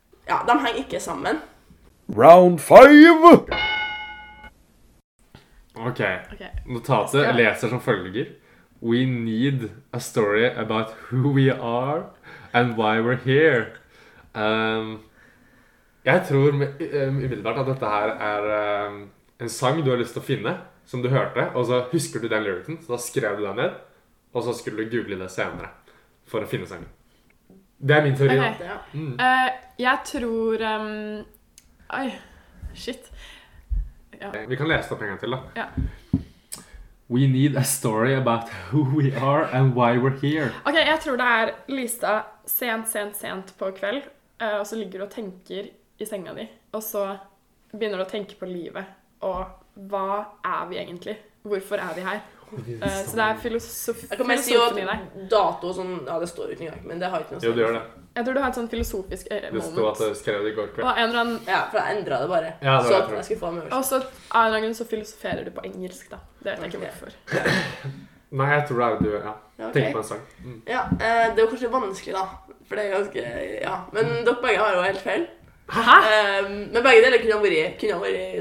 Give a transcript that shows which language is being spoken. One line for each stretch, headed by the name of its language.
Norwegian: Ja, de henger ikke sammen.
English: Round 5!
Norwegian: Ok, notatet leser som følger.
English: We need a story about who we are and why we're here.
Norwegian: Jeg tror umiddelbart at dette her er en sang du har lyst til å finne, som du hørte, og så husker du den lyricen, så da skrev du den ned, og så skulle du google det senere for å finne sangen. Det min teori, da. Jeg tror... oi, shit. Ja. Vi kan lese det opp en gang til, da. Ja.
English: We need a story about who we are and why we're here.
Norwegian: Ok, jeg tror det er Lisa sent på kveld, og så ligger du og tenker i senga di, og så begynner du å tenke på livet, og hva er vi egentlig? Hvorfor er vi her? Så det er filosofisk. Jeg kan bare si jo at dato og sånn, ja, det står ut en gang, men det har ikke noe sånt. Jo, det gjør det. Jeg tror du har et sånn filosofisk moment. Det stod at du skrev det i går kveld. Og en eller annen... Ja, for jeg endret det bare. Ja, det var så det, jeg skulle få med. Og så av en eller annen så filosoferer du på engelsk, da. Det vet jeg ikke hvorfor. Nei, jeg tror det er du, ja. Tenk på en sang. Mm. Ja, det er kanskje vanskelig, da. For det er ganske... Ja, men dere begge har jo helt feil. Hæ? Men begge deler kunne ha vært i